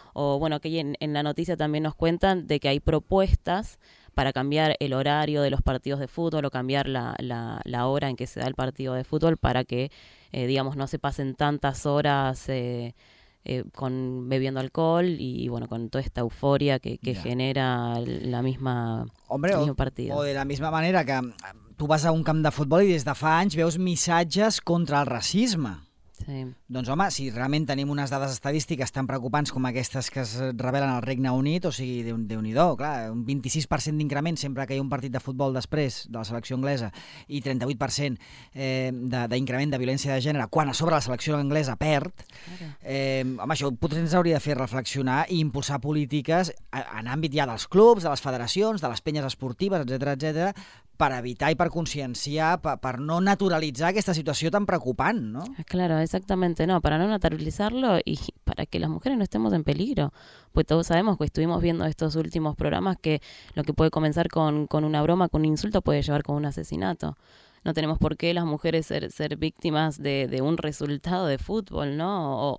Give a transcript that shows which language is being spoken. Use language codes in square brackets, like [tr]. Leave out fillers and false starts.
[es] O bueno, que en la noticia también nos cuentan de que hay propuestas para cambiar el horario de los partidos de fútbol o cambiar la hora en que se da el partido de fútbol para que, digamos, no se pasen tantas horas con bebiendo alcohol y bueno, con toda esta euforia que genera la misma... Hombre, o de la misma manera que tú vas a [ca] un camp de futbol i des de fa anys veus missatges contra el racisme. Sí. Doncs home, si realment tenim unes dades estadístiques tan preocupants com aquestes que es revelen al Regne Unit, o sigui, déu-n'hi-do, clar, un 26% d'increment sempre que hi ha un partit de futbol després de la selecció anglesa i 38% d'increment de violència de gènere quan a sobre la selecció anglesa perd, home, això potser ens hauria de fer reflexionar i impulsar polítiques en àmbit ja dels clubs, de les federacions, de les penyes esportives, etcètera, etcètera, per evitar i per conscienciar, per no naturalitzar aquesta situació tan preocupant, no? [es] Claro, exactamente, no, para no naturalizarlo y para que las mujeres no estemos en peligro. Pues todos sabemos que estuvimos viendo estos últimos programas que lo que puede comenzar con una broma, con un insulto, puede llevar con un asesinato. No tenemos por qué las mujeres ser víctimas de un resultado de fútbol, ¿no?